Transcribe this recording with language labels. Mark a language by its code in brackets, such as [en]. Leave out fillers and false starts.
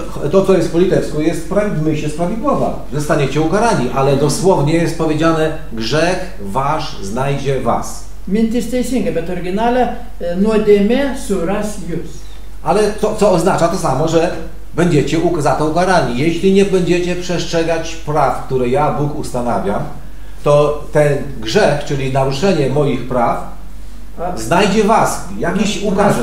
[pl] To, co jest po litewsku, jest w myśl jest prawidłowa. Zostaniecie ukarani, ale dosłownie jest powiedziane grzech wasz znajdzie was. [lt] Mintis teisinga, bet originale nuodėmė suras jus. [pl] Ale to, co oznacza to samo, że będziecie za to ukarani. Jeśli nie będziecie przestrzegać praw, które ja, Bóg, ustanawiam, to ten grzech, czyli naruszenie moich praw, znajdzie was, jakiś ukaże